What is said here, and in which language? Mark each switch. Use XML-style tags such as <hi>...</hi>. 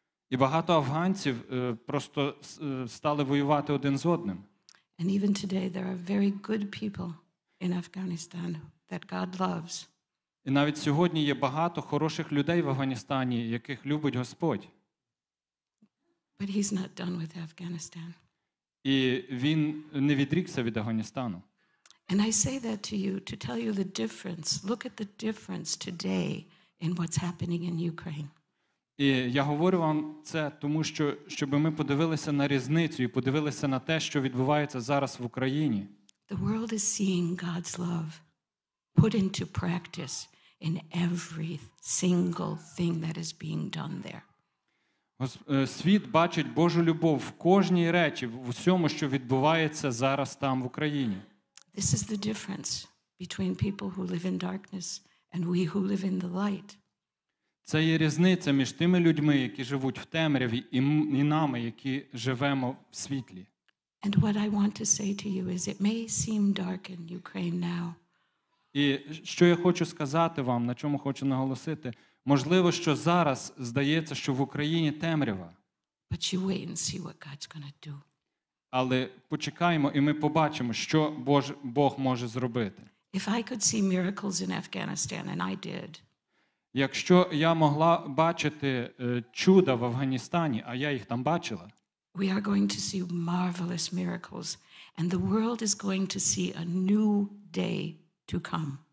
<uk>І багато афганців просто стали воювати один з одним.</uk> <en>And even today there are very good people in Afghanistan that God loves.</en> <uk>І навіть сьогодні є багато хороших людей в Афганістані, яких любить Господь.</uk> <en>But he's not done with Afghanistan.</en> <uk>І він не відрікся від Афганістану.</uk> <en>And I say that to you to tell you the difference. Look at the difference today in what's happening in Ukraine.</en> <uk>І я говорю вам це тому, що щоб ми подивилися на різницю і подивилися на те, що відбувається зараз в Україні.</uk> <en>The world is seeing God's love put into practice in every single thing that is being done there.</en> <uk>Світ бачить Божу любов в кожній речі, в усьому, що відбувається зараз там в Україні.</uk> <en>This is the difference between people who live in darkness and we who live in the light.</en> <uk>Це є різниця між тими людьми, які живуть в темряві, і нами, які живемо в світлі.</uk> <en>And what I want to say to you is it may seem dark in Ukraine now.</en> <uk>І що я хочу сказати вам, на чому хочу наголосити, можливо, що зараз здається, що в Україні темрява.</uk> <en>But you wait and see what God's gonna do.</en> <uk>Але почекаємо і ми побачимо, що Бог може зробити.</uk> <en>If I could see miracles in Afghanistan, and I did.</en> <uk>Якщо я могла бачити чуда в Афганістані, а я їх там бачила.</uk> <en>We are going to see marvelous miracles and the world is going to see a new day to come.</en>